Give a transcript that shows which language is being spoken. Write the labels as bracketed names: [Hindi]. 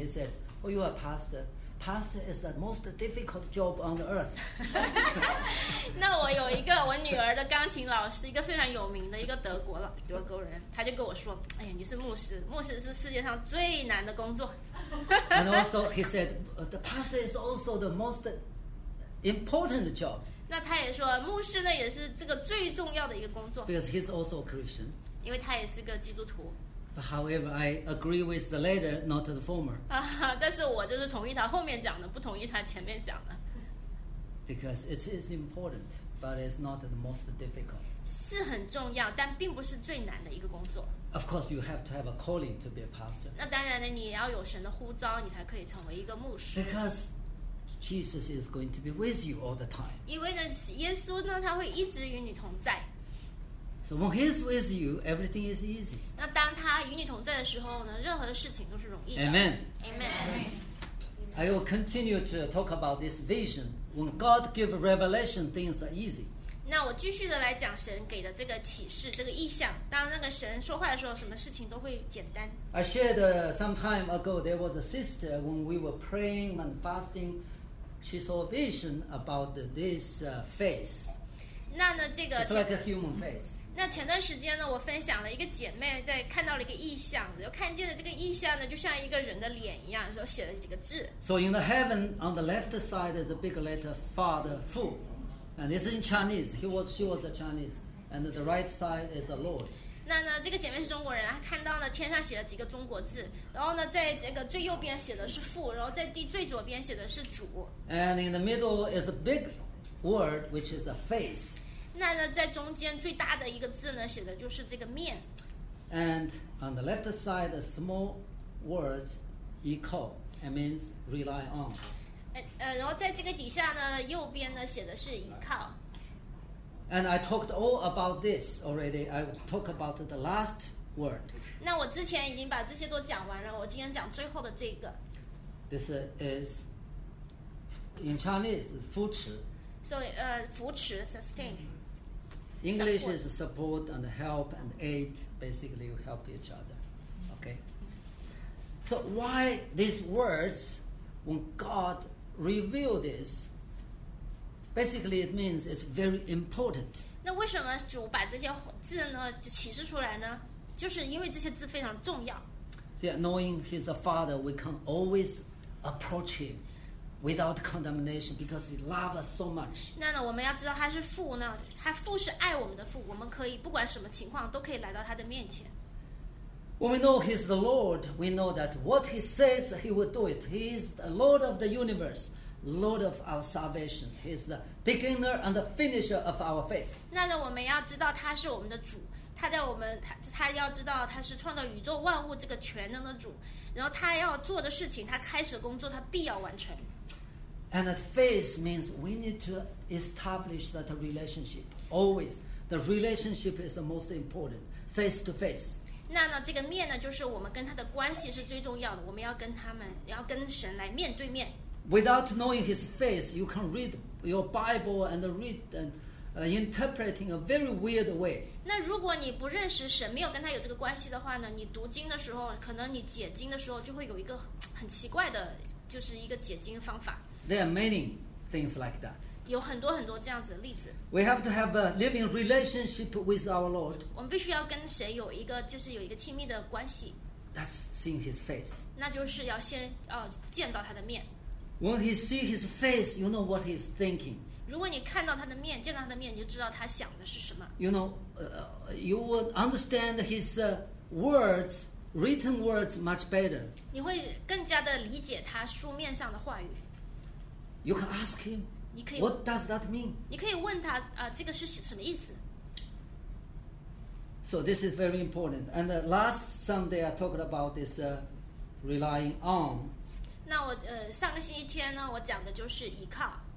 [English] He said, "Oh, you are a pastor. Pastor is the most difficult job on earth." [Chinese] 那我有一个我女儿的钢琴老师，一个非常有名的一个德国人，他就跟我说，哎呀，你是牧师，牧师是世界上最难的工作。 [English] And also he said, "The pastor is also the most important job." [Chinese] 那他也说牧师呢也是这个最重要的一个工作。 [English] Because he's also a Christian. [Chinese] 因为他也是个基督徒。 [English] But however, I agree with the latter, not the former. [Chinese] 但是我就是同意他后面讲的，不同意他前面讲的。 [English] Because it is important, but it's not the most difficult. [Chinese] 是很重要，但并不是最难的一个工作。 [English] Of course, you have to have a calling to be a pastor. [Chinese] 那当然了，你要有神的呼召，你才可以成为一个牧师。 [English] BecauseJesus is going to be with you all the time. [Chinese] 因为呢，耶稣呢，他会一直与你同在。 [English] So when He's with you, everything is easy. [Chinese] 那当他与你同在的时候呢，任何的事情都是容易的。 [English] Amen. Amen. I will continue to talk about this vision. When God gives revelation, things are easy. [Chinese] 那我继续的来讲神给的这个启示，这个意象。当那个神说话的时候，什么事情都会简单。 [English] I shared some time ago. There was a sister when we were praying and fasting. She saw a vision about this face. [Chinese] 那呢，这个 [English] It's like a human face. [Chinese] 那前段时间呢，我分享了一个姐妹在看到了一个异象，就看见了这个异象呢，就像一个人的脸一样，说写了几个字。 [English] So in the heaven, on the left side is a big letter Father Fu, and it's in Chinese. She was a Chinese, and the right side is the Lord. [Chinese] 那呢，这个姐妹是中国人，她看到呢天上写了几个中国字，然后呢，在这个最右边写的是父，然后在地最左边写的是主。 [English] And in the middle is a big word, which is a face. [Chinese] 那呢，在中间最大的一个字呢，写的就是这个面。 [English] And on the left side, a small word, echo, it means rely on. [Chinese] 然后在这个底下呢，右边呢写的是依靠。 [English] And I talked all about this already. I talked about the last word. [Chinese] 那我之前已经把这些都讲完了，我今天讲最后的这个。 [English] This is in Chinese, 扶持。 So, 扶持 sustain. English is support and help and aid. Basically, you help each other. Okay. So why these words, when God revealed this? Basically, it means it's very important. [Chinese] 那为什么主把这些字呢就启示出来呢？就是因为这些字非常重要。 [English] Yeah, knowing He's a Father, we can always approach Him without condemnation because He loves us so much. [Chinese] 那呢，我们要知道他是父呢，他父是爱我们的父，我们可以不管什么情况都可以来到他的面前。 [English] When we know He's the Lord, we know that what He says, He will do it. He is the Lord of the universe. Lord of our salvation, He is the beginner and the finisher of our faith. [Chinese] 那呢，我们要知道他是我们的主，他在我们他要知道他是创造宇宙万物这个全能的主，然后他要做的事情，他开始工作，他必要完成。 [English] And faith means we need to establish that relationship always. The relationship is the most important, face to face. [Chinese] 那呢，这个面呢，就是我们跟他的关系是最重要的，我们要跟他们，要跟神来面对面。 [English] Without knowing His face, you can read your Bible and read and interpret in a very weird way. [Chinese] 那如果你不认识神，没有跟他有这个关系的话呢，你读经的时候，可能你解经的时候就会有一个很奇怪的，就是一个解经方法。 [English] There are many things like that. [Chinese] 有很多很多这样子的例子。 [English] We have to have a living relationship with our Lord. [Chinese] 我们必须要跟神有一个，就是有一个亲密的关系。 [English] That's seeing His face. [Chinese] 那就是要先见到他的面。 [English] When he see his face, you know what he's thinking. [Chinese] 如果你看到他的面，见到他的面，你就知道他想的是什么。 [English] You know, you will understand his words, written words much better. [Chinese] 你会更加的理解他书面上的话语。 [English] You can ask him. [Chinese] 你可以 [English] What does that mean? [Chinese] 你可以问他这个是什么意思。 [English] So this is very important. And last Sunday I talked about this relying on. [Chinese] 那我上个星期天呢，我讲的就是依靠。